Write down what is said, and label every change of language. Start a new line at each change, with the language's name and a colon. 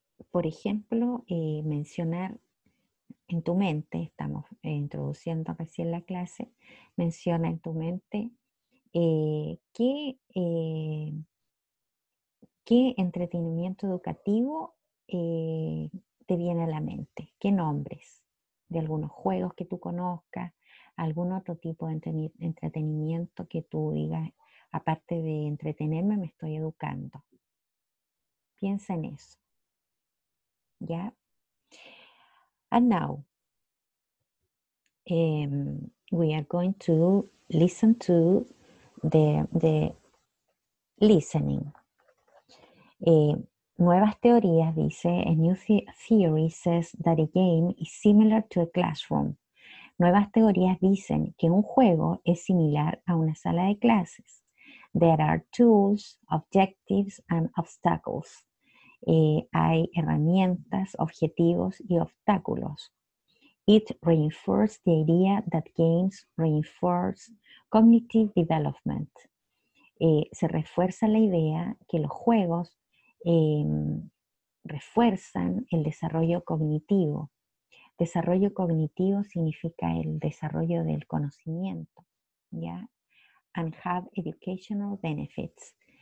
Spanish: Por ejemplo, mencionar en tu mente, estamos introduciendo recién la clase, menciona en tu mente qué entretenimiento educativo te viene a la mente, qué nombres de algunos juegos que tú conozcas, algún otro tipo de entretenimiento que tú digas, aparte de entretenerme, me estoy educando. Piensa en eso. ¿Ya?
English: And now, we are going to listen to the listening.
Spanish: Nuevas teorías, dice,
English: a new theory says that a game is similar to a classroom.
Spanish: Nuevas teorías dicen que un juego es similar a una sala de clases.
English: There are tools, objectives, and obstacles.
Spanish: Hay herramientas, objetivos y obstáculos.
English: It reinforces the idea that games reinforce cognitive development.
Spanish: Se refuerza la idea que los juegos refuerzan el desarrollo cognitivo. Desarrollo cognitivo significa el desarrollo del conocimiento, ¿ya?
English: And have educational benefits.